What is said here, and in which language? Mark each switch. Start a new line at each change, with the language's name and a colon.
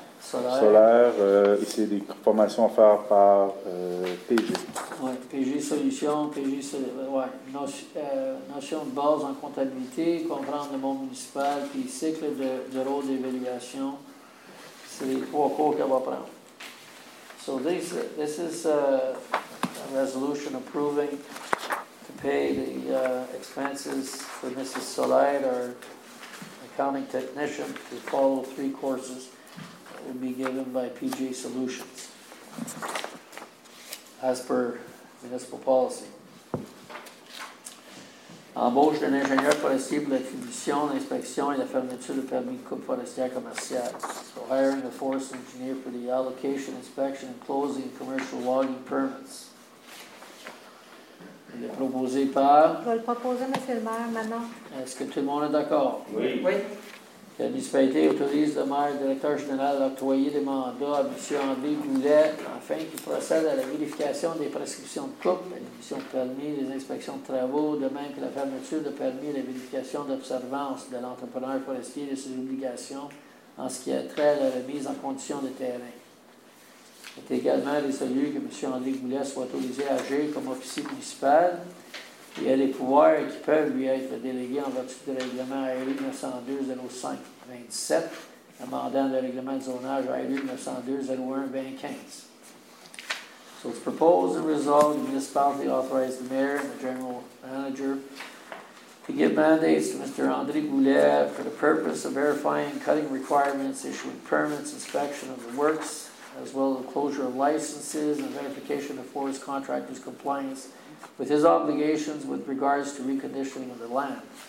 French: Solaire. Et c'est des formations à faire par PG. Oui, PG Solutions, PG... Ouais, notion de base en comptabilité, comprendre le monde municipal, puis cycle de rôle d'évaluation. C'est les 3 cours qu'elle va prendre.
English: So this is a resolution approving to pay the expenses for Mrs. Solaire, our accounting technician, to follow 3 courses that will be given by PG Solutions as per municipal policy.
French: Embauche d'un ingénieur forestier pour l'attribution, l'inspection et la fermeture de permis de coupe forestière commerciale.
English: So hiring a forest engineer for the allocation, inspection and closing of commercial logging permits.
French: Il est proposé par... Je vais le proposer, M. le maire, maintenant. Est-ce que tout le monde est d'accord? Oui. La municipalité autorise le maire et directeur général à octroyer des mandats à M. André Goulet afin qu'il procède à la vérification des prescriptions de coupe, l'émission de permis, les inspections de travaux, de même que la fermeture de permis et la vérification d'observance de l'entrepreneur forestier et de ses obligations en ce qui a trait à la remise en condition de terrain. Il est également résolu que M. André Goulet soit autorisé à agir comme officier municipal et à les pouvoirs qui peuvent lui être délégués en vertu du règlement ARU 902-05-27, amendant le règlement de zonage ARU 902-01-2015.
English: So it's proposed and resolved the municipality authorized the mayor and the general manager to give mandates to Mr. André Goulet for the purpose of verifying cutting requirements, issuing permits, inspection of the works, as well as the closure of licenses and verification of forest contractors' compliance with his obligations with regards to reconditioning of the land.